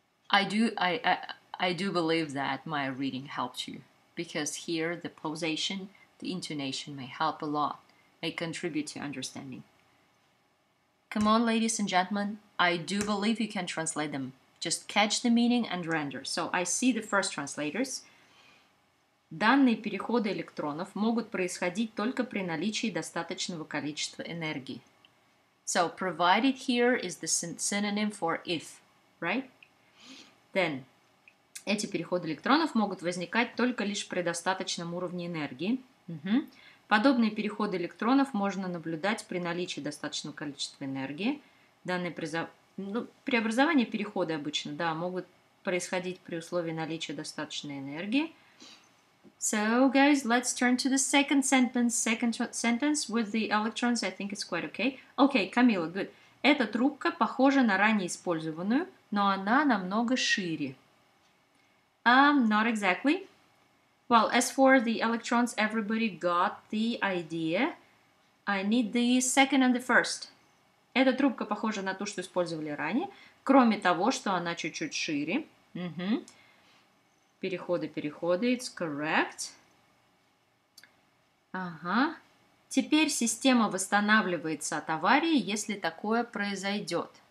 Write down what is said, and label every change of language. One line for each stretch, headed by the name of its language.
English: I do believe that my reading helped you, because here the pausation, the intonation may help a lot, may contribute to understanding. Come on, ladies and gentlemen, I do believe you can translate them. Just catch the meaning and render. So I see the first translators.
Russian: Данные переходы электронов могут происходить только при наличии достаточного количества энергии.
English: So, provided here is the synonym for if, right? Then,
Russian: эти переходы электронов могут возникать только лишь при достаточном уровне энергии. Mm-hmm. Подобные переходы электронов можно наблюдать при наличии достаточного количества энергии. Данные преобразования перехода обычно, да, могут происходить при условии наличия достаточной энергии.
English: So, guys, let's turn to the second sentence. Second sentence with the electrons, I think it's quite okay. Okay, Camila, good.
Russian: Эта трубка похожа на ранее использованную, но она намного шире.
English: Not exactly. Well, as for the electrons, everybody got the idea. I need the second and the first.
Russian: Эта трубка похожа на ту, что использовали ранее, кроме того, что она чуть-чуть шире.
English: Mm-hmm.
Russian: Переходы.
English: It's correct.
Russian: Ага. Теперь система восстанавливается от аварии, если такое произойдет.